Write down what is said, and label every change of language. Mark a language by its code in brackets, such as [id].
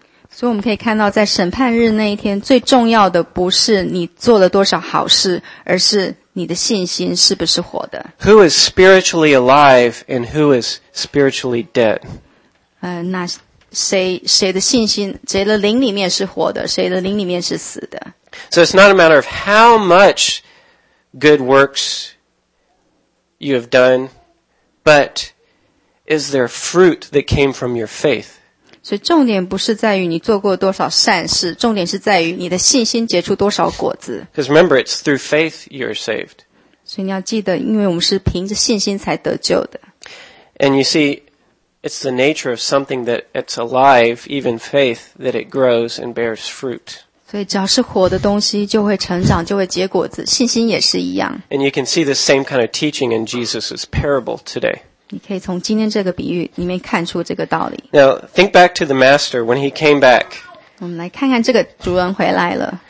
[zh] 所以我们可以看到在审判日那一天最重要的不是你做了多少好事，而是你的信心是不是活的。 [en] Who is spiritually alive and who is spiritually dead? [zh] 那谁的信心，谁的灵里面是活的，谁的灵里面是死的。 [en] So it's not a matter of how much good works you have done, but is there fruit that came from your faith? [zh] 所以重点不是在于你做过多少善事，重点是在于你的信心结出多少果子。 [en] Because remember, it's through faith you are saved. [zh] 所以你要记得，因为我们是凭着信心才得救的。 [en] And you see, it's the nature of something that it's alive, even faith, that it grows and bears fruit. [zh] 所以只要是活的东西，就会成长，就会结果子。信心也是一样。 [en] And you can see the same kind of teaching in Jesus' parable today. [zh] 你可以从今天这个比喻里面看出这个道理。 [en] Now, think back to the master when he came back. [zh] 我们来看看这个主人回来了。